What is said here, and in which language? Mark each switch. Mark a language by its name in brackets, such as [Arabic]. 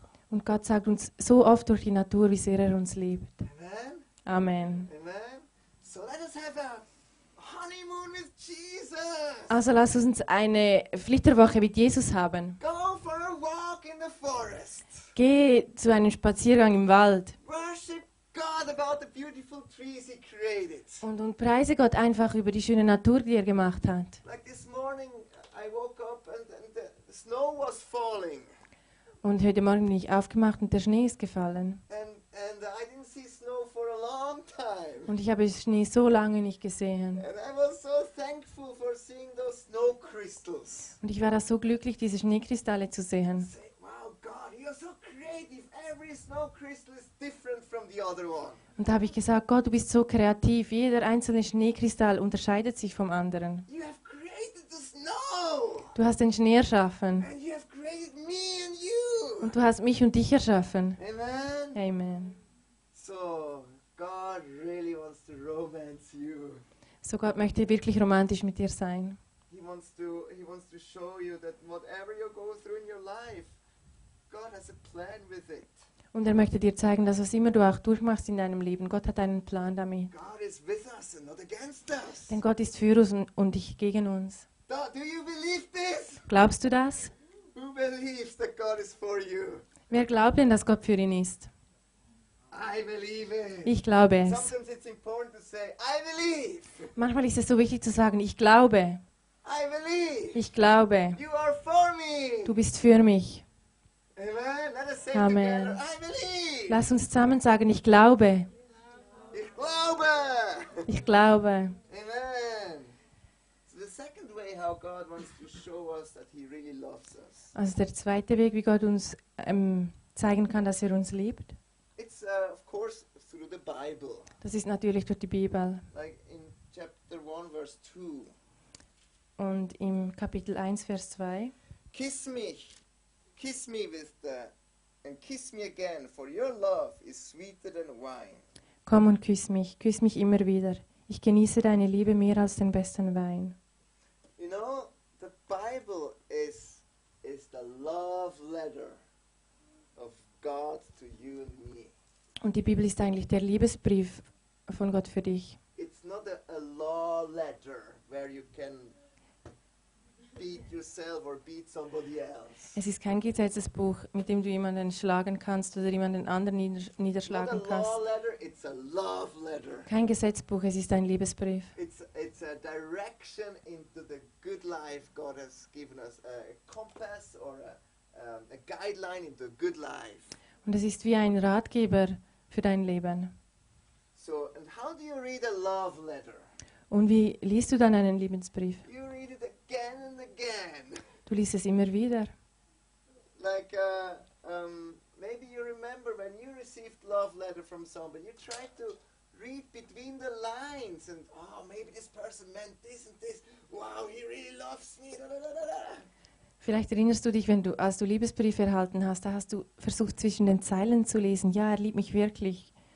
[German] Und Gott sagt uns so oft durch die Natur, wie sehr er uns liebt. Amen. Amen. Amen. [English] So let us have a honeymoon with Jesus. [German] Also lass uns eine Flitterwoche mit Jesus haben. [English] Go for a walk in the forest. [German] Geh zu einem Spaziergang im Wald. [English] Worship God about the beautiful trees he created. [German] Und preise Gott einfach über die schöne Natur, die er gemacht hat. [English] Like this morning I woke up and the snow was falling. [German] Und heute Morgen bin ich aufgemacht und der Schnee ist gefallen. [English] And I didn't see snow for a long time. [German] Und ich habe Schnee so lange nicht gesehen. [English] And I was so thankful for seeing those snow crystals. [German] Und ich war da so glücklich, diese Schneekristalle zu sehen. [English] Every snow crystal is different from the other one. [German] Und da habe ich gesagt, Gott, du bist so kreativ. Jeder einzelne Schneekristall unterscheidet sich vom anderen. [English] You have created the snow. [German] Du hast den Schnee erschaffen. [English] And you have created me and you. [German] Und du hast mich und dich erschaffen. Amen. Amen. [English] So, God really wants to romance you. [German] So Gott möchte wirklich romantisch mit dir sein. [English] He wants to show you that whatever you go through in your life, God has a plan with it. [German] Und er möchte dir zeigen, dass was immer du auch durchmachst in deinem Leben, Gott hat einen Plan damit. [English] God is with us and not against us. [German] Denn Gott ist für uns und dich gegen uns. [English] Do you believe this? [German] Glaubst du das? [English] Who believes that God is for you? [German] Wer glaubt denn, dass Gott für ihn ist? [English] I believe it. [German] Ich glaube es. [English] Sometimes it's important to say, I believe. [German] Manchmal ist es so wichtig zu sagen, ich glaube. [English] I believe. [German] Ich glaube. [English] You are for me. [German] Du bist für mich. [English] Amen. Let us say Amen. Together, I believe. [German] Lass uns zusammen sagen, ich glaube. Ich glaube. Ich glaube. Amen. [English] So the second way how God wants to show us that he really loves us. [German] Also der zweite Weg, wie Gott uns zeigen kann, dass er uns liebt. [English] It's of course through the Bible. [German] Das ist natürlich durch die Bibel. [English] Like in chapter 1 verse 2. [German] Und im Kapitel 1 Vers 2. [English] Kiss me. Kiss me with the and kiss me again, for your love is sweeter than wine. [German] Komm und küss mich immer wieder. Ich genieße deine Liebe mehr als den besten Wein. [English] You know, the Bible is the love letter of God to you and me. [German] Und die Bibel ist eigentlich der Liebesbrief von Gott für dich. [English] It's not a law letter where you can beat yourself or beat somebody else. [German] Es ist kein Gesetzesbuch, mit dem du jemanden schlagen kannst oder jemanden anderen niederschlagen kannst. [English] Not a law letter, it's a love letter. [German] Kein Gesetzbuch, es ist ein Liebesbrief. [English] It's a direction into the good life God has given us, a compass or a guideline into a good life. [German] Und es ist wie ein Ratgeber für dein Leben. [English] So, and how do you read a love letter? [German] Und wie liest du dann einen Liebesbrief? [English] You read it again and again. [German] Du liest es immer wieder. [English] Like maybe you remember when you received love letter from somebody, you tried to read between the lines and oh, maybe this person meant this and this. Wow, he really loves me. Da, da, da, da, da. [German] Vielleicht erinnerst du dich, als du Liebesbriefe erhalten hast, da hast du versucht zwischen den Zeilen zu lesen. Ja, er liebt mich wirklich.